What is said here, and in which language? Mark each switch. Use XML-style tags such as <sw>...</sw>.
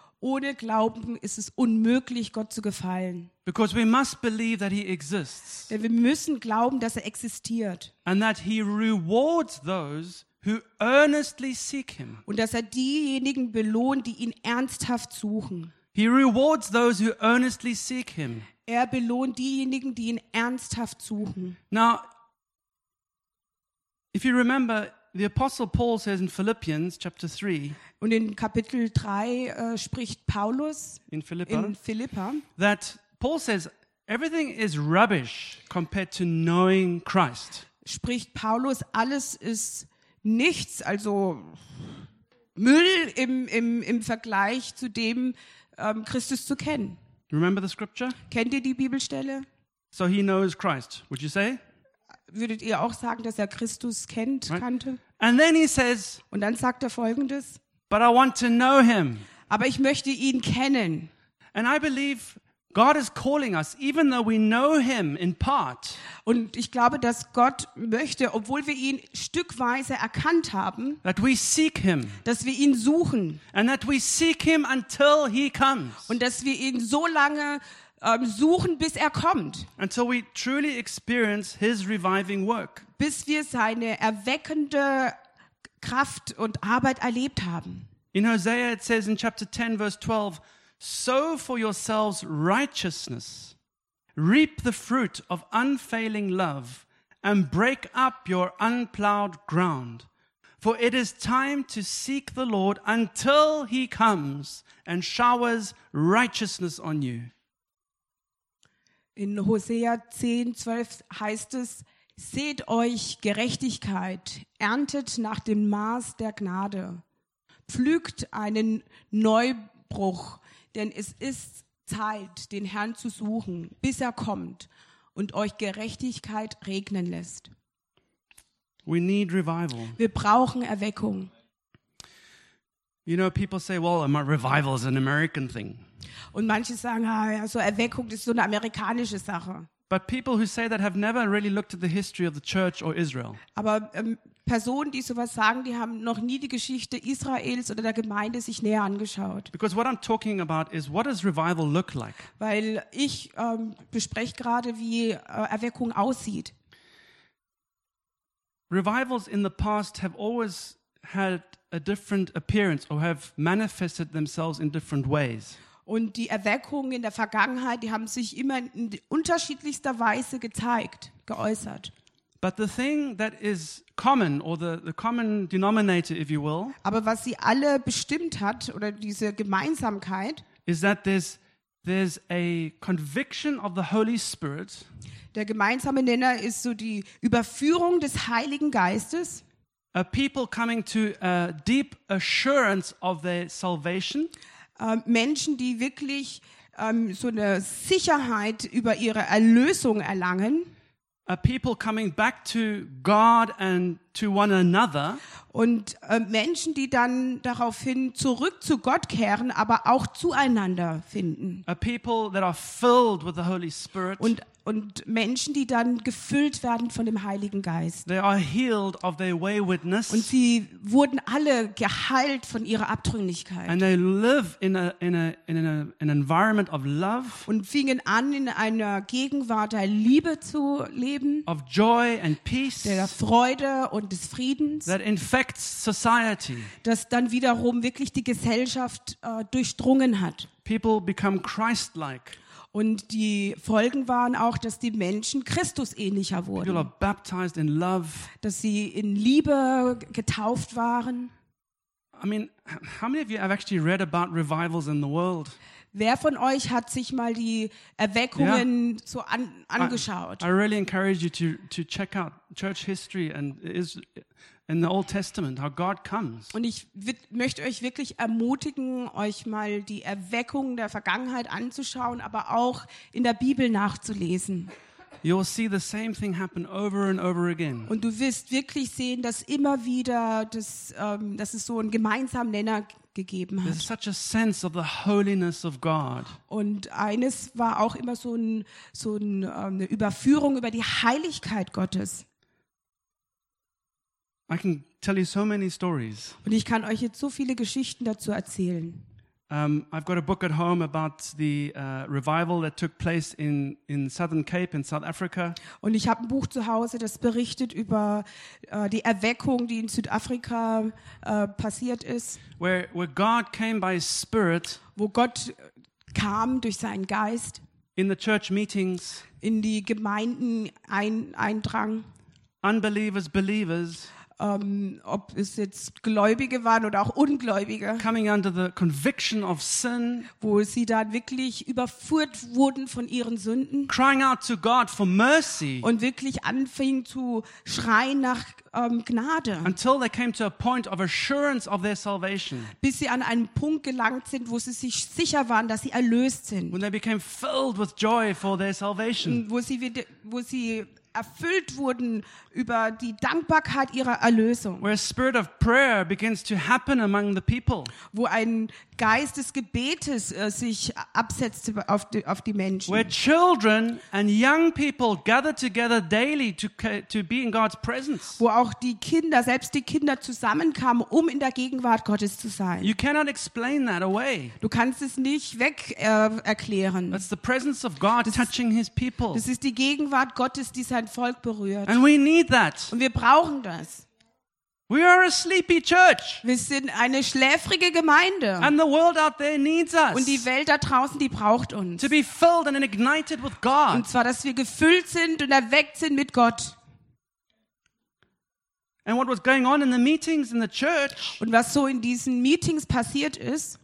<de>Ohne Glauben ist es unmöglich, Gott zu gefallen.</de> <en>Because we must believe that he exists.</en> <de>Denn wir müssen glauben, dass er existiert.</de> <en>And that he rewards those who earnestly seek him.</en> <de>Und dass er diejenigen belohnt, die ihn ernsthaft suchen.</de> <en>He rewards those who earnestly seek him.</en> <de>Er belohnt diejenigen, die ihn ernsthaft suchen.</de> <en>Now, if you remember, the Apostle Paul says in Philippians chapter 3.</en> <de>Und in Kapitel 3 spricht Paulus in Philippa, in Philippa,</de> <en>that Paul says everything is rubbish compared to knowing Christ.</en> <de>Spricht Paulus, alles ist nichts, also Müll im Vergleich zu dem Christus zu kennen.</de> <en>Remember the scripture?</en> <de>Kennt ihr die Bibelstelle?</de> <en>So he knows Christ, would you say?</en> <de>Würdet ihr auch sagen, dass er Christus kennt,</de> <en>right?</en> <de>Kannte?</de> <en>And then he says,</en> <de>und dann sagt er Folgendes.</de> <en>But I want to know him.</en> <de>Aber ich möchte ihn kennen.</de> <en>And I believe God is calling us, even though we know him in part.</en> <de>Und ich glaube, dass Gott möchte, obwohl wir ihn stückweise erkannt haben,</de> <en>that we seek him,</en> <de>dass wir ihn suchen,</de> <en>and that we seek him until he comes,</en> <de>und dass wir ihn so lange suchen, bis er kommt,</de> <en>until we truly experience his reviving work,</en> <de>bis wir seine erweckende Kraft und Arbeit erlebt haben.</de> <en>In Hosea it says in chapter 10, verse 12. Sow for yourselves righteousness, reap the fruit of unfailing love, and break up your unplowed ground. For it is time to seek the Lord until he comes and showers righteousness on you.</en> <de>In Hosea 10, 12 heißt es, seht euch Gerechtigkeit, erntet nach dem Maß der Gnade, pflügt einen Neubruch, denn es ist Zeit, den Herrn zu suchen, bis er kommt und euch Gerechtigkeit regnen lässt.</de> <en>We need revival.</en> <de>Wir brauchen Erweckung.</de> <en>You know, people say, well, my revival is an American thing.</en> <de>Und manche sagen, ah, ja, so Erweckung ist so eine amerikanische Sache.</de> <en>But people who say that have never really looked at the history of the church or Israel.</en> <de>Aber Personen, die sowas sagen, die haben noch nie die Geschichte Israels oder der Gemeinde sich näher angeschaut.</de> <en>Because what I'm talking about is, what does revival look like?</en> <de>Weil ich bespreche gerade, wie Erweckung aussieht.</de> <en>Revivals in the past have always had a different appearance or have manifested themselves in different ways.</en> <de>Und die Erweckungen in der Vergangenheit, die haben sich immer in unterschiedlichster Weise gezeigt, geäußert.</de> <en>But the thing that is common, or the common denominator, if you will,</en> <de>aber was sie alle bestimmt hat, oder diese Gemeinsamkeit,</de> <en>is that there's a conviction of the Holy Spirit.</en> <de>Der gemeinsame Nenner ist so die Überführung des Heiligen Geistes.</de> <en>A people coming to a deep assurance of their salvation.</en> <de>Menschen, die wirklich so eine Sicherheit über ihre Erlösung erlangen.</de> <en>A people coming back to God and to one another.</en> <de>Und Menschen, die dann daraufhin zurück zu Gott kehren, aber auch zueinander finden.</de> <en>A people that are filled with the Holy Spirit.</en> <de>Und Menschen, die dann gefüllt werden von dem Heiligen Geist.</de> <en>They are healed of their waywardness.</en> <de>Und sie wurden alle geheilt von ihrer Abtrünnigkeit.</de> <en>And they live in an environment of love.</en> <de>Und fingen an, in einer Gegenwart der Liebe zu leben.</de> <en>Of joy and peace.</en> <de>Der Freude und des Friedens.</de> <en>That infects society.</en> <de>Das dann wiederum wirklich die Gesellschaft durchdrungen hat.</de> <en>People become Christ-like.</en> <de>Und die Folgen waren auch, dass die Menschen Christusähnlicher wurden.</de> <en>People are baptized in love.</en> <de>Dass sie in Liebe getauft waren.</de> <en>I mean, how many of you have actually read about revivals in the world?</en> <de>Wer von euch hat sich mal die Erweckungen so angeschaut?</de> <en>I really encourage you to check out church history and is in the Old Testament how God comes.</en> <de>Und ich möchte euch wirklich ermutigen, euch mal die Erweckungen der Vergangenheit anzuschauen, aber auch in der Bibel nachzulesen.</de> <en>You'll see the same thing happen over and over again.</en> <de>Und du wirst wirklich sehen, dass immer wieder dass es so einen gemeinsamen Nenner gegeben hat.</de> <en>There's such a sense of the holiness of God.</en> <de>Und eines war auch immer eine Überführung über die Heiligkeit Gottes.</de> <en>I can tell you so many stories.</en> <de>Und ich kann euch jetzt so viele Geschichten dazu erzählen.</de> <en>I've got a book at home about the revival that took place in Southern Cape in South Africa.</en> <de>Und ich habe ein Buch zu Hause, das berichtet über die Erweckung, die in Südafrika passiert ist.</de> <en>Where God came by His Spirit.</en> <de>Wo Gott kam durch seinen Geist.</de> <en>In the church meetings.</en> <de>In die Gemeinden eindrang.</de> <en>Unbelievers.</en> <de>Ob es jetzt Gläubige waren oder auch Ungläubige,</de> <en>coming under the conviction of sin,</en> <de>wo sie dann wirklich überführt wurden von ihren Sünden,</de> <en>crying out to God for mercy,</en> <de>und wirklich anfingen zu schreien nach Gnade,</de> <en>until they came to a point of assurance of their salvation,</en> <de>bis sie an einen Punkt gelangt sind, wo sie sich sicher waren, dass sie erlöst sind,</de> <en>when they became filled with joy for their salvation,</en> <de>wo sie erfüllt wurden über die Dankbarkeit ihrer Erlösung.</de> <en>Where a spirit of prayer begins to happen among the people.</en> <de>Wo ein Geist des Gebetes sich absetzt auf die Menschen.</de> <en>Where children and young people gather together daily to be in God's presence.</en> <de>Wo auch die Kinder, selbst die Kinder zusammenkamen, um in der Gegenwart Gottes zu sein.</de> <en>You cannot explain that away.</en> <de>Du kannst es nicht weg erklären.</de> <en>That's the presence of God touching His people.</en> <de>Das ist die Gegenwart Gottes, die sein Volk berührt.</de> <en>And we need that.</en> <de>Und wir brauchen das.</de> <en>We are a sleepy church.</en> <de>Wir sind eine schläfrige Gemeinde.</de> <en>And the world out there needs us.</en> <de>Und die Welt da draußen, die braucht uns.</de> <en>To be filled and ignited with God.</en> <de>Und zwar, dass wir gefüllt sind und erweckt sind mit Gott.</de> <en>And what was going on in the meetings in the church?</en> <de>Und was so in diesen Meetings passiert ist?</de>